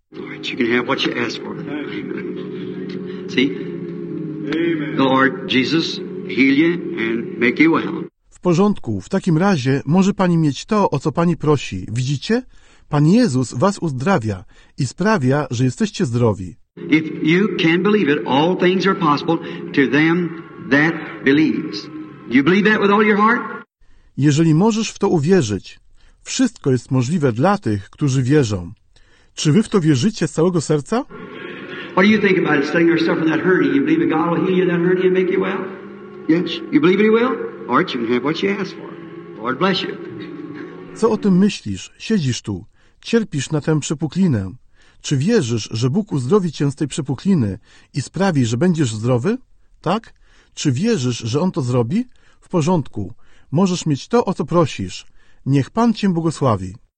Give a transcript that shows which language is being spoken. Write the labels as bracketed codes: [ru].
[en] All right, you can have what you ask for. Amen. See? Amen. The Lord Jesus heal you and make you well. [pl] W porządku, w takim razie może pani mieć to, o co pani prosi. Widzicie? Pan Jezus was uzdrawia i sprawia, że jesteście zdrowi. [en] If you can believe it, all things are possible to them that believes. You believe that with all your heart? [pl] Jeżeli możesz w to uwierzyć, wszystko jest możliwe dla tych, którzy wierzą. Czy wy w to wierzycie z całego serca? [en] What do you think about setting yourself in that hurting? You believe that God will heal you that hurting and make you well? Yes, you believe he will? Or you can have what you ask for. Lord bless you. [pl] Co o tym myślisz? Siedzisz tu, cierpisz na tę przepuklinę. Czy wierzysz, że Bóg uzdrowi cię z tej przepukliny i sprawi, że będziesz zdrowy? Tak? Czy wierzysz, że On to zrobi? W porządku. Możesz mieć to, o co prosisz. Niech Pan Cię błogosławi.